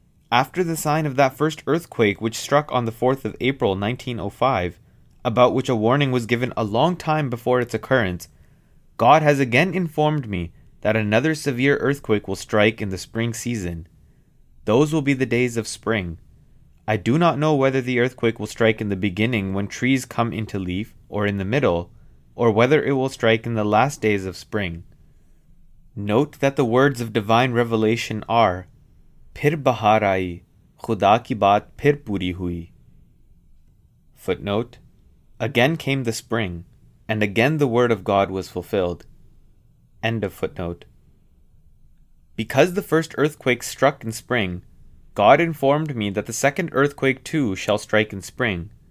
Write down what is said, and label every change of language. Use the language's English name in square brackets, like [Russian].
[English] After the sign of that first earthquake which struck on the 4th of April 1905, about which a warning was given a long time before its occurrence, God has again informed me that another severe earthquake will strike in the spring season. Those will be the days of spring. I do not know whether the earthquake will strike in the beginning when trees come into leaf, or in the middle, or whether it will strike in the last days of spring. Note that the words of divine revelation are, [Urdu] "پھر بہار آئی، خدا کی بات پھر پوری ہوئی۔" [English] Footnote: Again came the spring, and again the word of God was fulfilled. End of footnote. Because the first earthquake struck in spring, God informed me that the second earthquake too shall strike in spring.